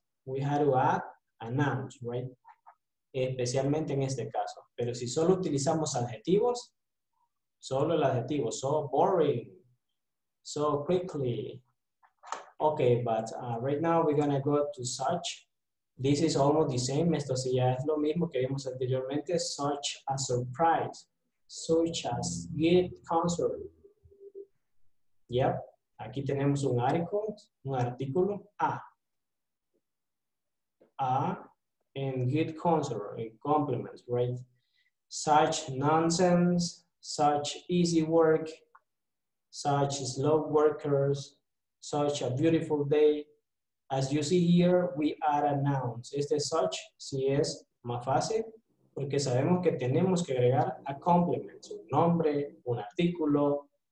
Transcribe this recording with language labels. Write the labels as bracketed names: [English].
[English] We had to add a noun, right? [Spanish] Especialmente en este caso. Pero si solo utilizamos adjetivos, solo el adjetivo, [English] so boring, so quickly. Okay, but right now we're gonna go to such. This is almost the same. [Spanish] Esto sí ya es lo mismo que vimos anteriormente. [English] Such a surprise. Such as good concert. Yep. [Spanish] Aquí tenemos un article. Un artículo. A. [English] A. And good concert. And compliments, right? Such nonsense. Such easy work. Such slow workers. Such a beautiful day. As you see here, we add a noun. [Spanish] Este such, si es más fácil, porque sabemos que tenemos que agregar [English] a compliment, [Spanish] un nombre, un artículo,